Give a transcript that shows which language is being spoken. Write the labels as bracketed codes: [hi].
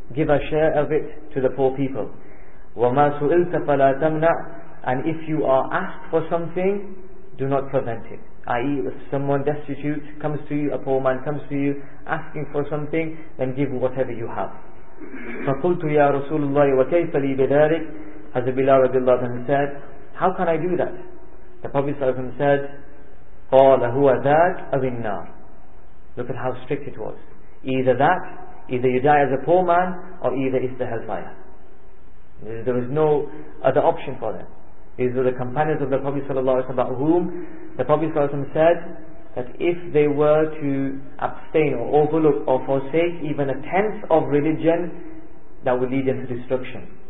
[en] Give a share of it to the poor people. [ar] وَمَا سُئِلْتَ فَلَا تَمْنَعْ, [en] and if you are asked for something, do not prevent it. I.e. if someone destitute comes to you, a poor man comes to you asking for something, then give whatever you have. [ar] فَقُلْتُ يَا رَسُولُ اللَّهِ وَكَيْفَ لِي بِذَارِكَ, [en] Hazrat Bilal radiallahu anhu said, how can I do that? The Prophet said, [ar] قَالَ هُوَ ذَاكَ أَوِ النَّارِ. [en] Look at how strict it was. Either that, either you die as a poor man, or either it's the hellfire. There is no other option for them. These are the companions of the Prophet sallallahu alaihi wasallam, about whom the Prophet sallallahu alaihi wasallam said that if they were to abstain or overlook or forsake even a tenth of religion, that would lead them to destruction.